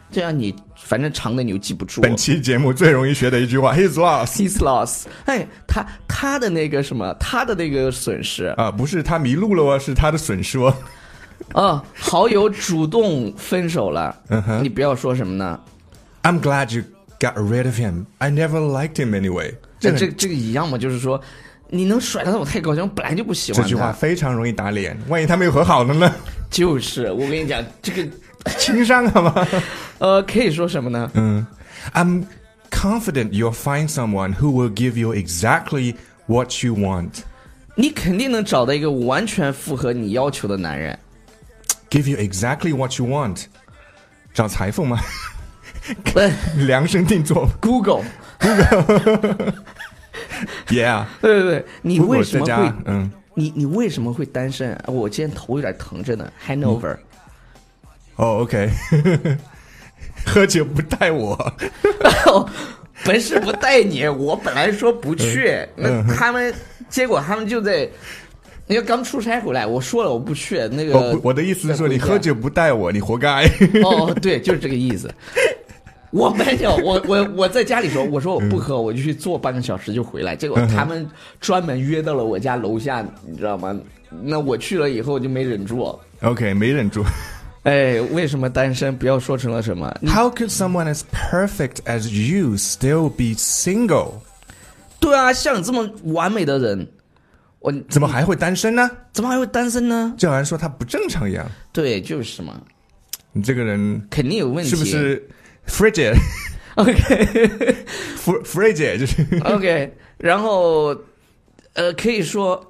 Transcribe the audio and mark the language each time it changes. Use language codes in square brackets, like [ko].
[zh] 这样你反正长的你又记不住本期节目最容易学的一句话 [en] His loss His loss [zh] 哎，他的那个什么他的那个损失啊，不是他迷路了哦，是他的损失哦。哦，好友主动分手了你不要说什么呢 [en] I'm glad you got rid of him I never liked him anyway [zh] 这个一样嘛就是说你能甩他我太高兴我本来就不喜欢他这句话非常容易打脸万一他们又和好了呢就是我跟你讲这个情商好吗可以说什么呢 [en] 嗯 I'm confident you'll find someone who will give you exactly what you want [zh] 你肯定能找到一个完全符合你要求的男人 [en] give you exactly what you want [zh] 找裁缝吗对量身定做 [en] Google yeah [zh] 对对对你为什么会嗯你为什么会单身我今天头有点疼着呢 Hangover、嗯哦、oh, ，OK， 喝酒不带我，本是不带你，我本来说不去，那他们结果他们就在，因为刚出差回来，我说了我不去，那个、我的意思是说你喝酒不带我，你活该。哦、oh, ，对，就是这个意思。我没有，我在家里说，我说我不喝，我就去坐半个小时就回来，结果他们专门约到了我家楼下，你知道吗？那我去了以后就没忍住。 OK， 没忍住。哎，为什么单身？不要说成了什么。 [en] How could someone as perfect as you still be single？ [zh] 对啊，像你这么完美的人，我怎么还会单身呢？怎么还会单身呢？就好像说他不正常一样。对，就是嘛。你这个人肯定有问题，是不是 ？Frigid。 [en] OK， [zh] Frigid 就是 OK。 然后可以说